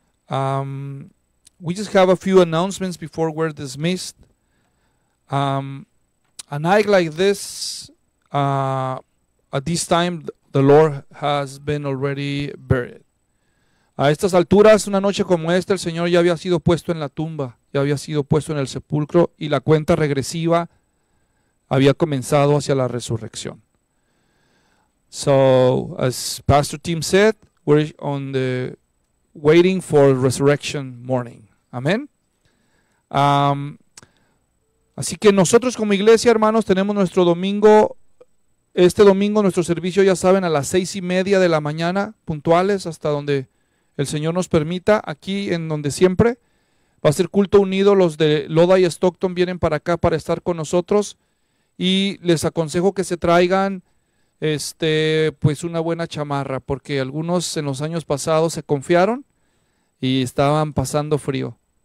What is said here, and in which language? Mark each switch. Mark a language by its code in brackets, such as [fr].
[en] We just have a few announcements before we're dismissed. A night like this, at this time, the Lord has been already buried. [es] A estas alturas, una noche como esta, el Señor ya había sido puesto en la tumba, ya había sido puesto en el sepulcro, y la cuenta regresiva había comenzado hacia la resurrección. [en] So, as Pastor Tim said, we're on the waiting for resurrection morning. [es] Amén. Así que nosotros como iglesia, hermanos, tenemos nuestro domingo, este domingo nuestro servicio, ya saben, a las 6:30 de la mañana, puntuales, hasta donde el Señor nos permita, aquí en donde siempre. Va a ser culto unido, los de Lodi y Stockton vienen para acá para estar con nosotros y les aconsejo que se traigan pues una buena chamarra, porque algunos en los años pasados se confiaron y estaban pasando frío.